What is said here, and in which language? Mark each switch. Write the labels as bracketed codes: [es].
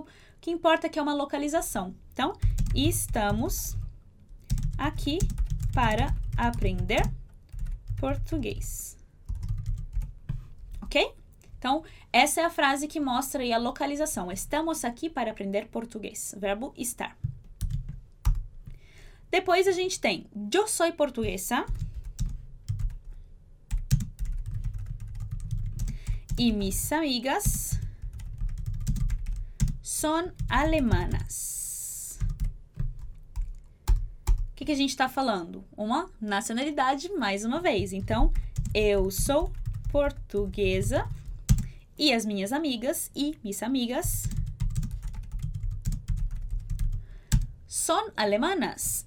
[pt] O que importa é que é uma localização. Então, estamos aqui para aprender português. Ok? Então, essa é a frase que mostra aí a localização. Estamos aqui para aprender português. Verbo estar. Depois a gente tem [es] yo soy portuguesa. E mis amigas son alemanas. [pt] O que a gente está falando? Uma nacionalidade, mais uma vez. Então, eu sou portuguesa e as minhas amigas e [es] mis amigas son alemanas.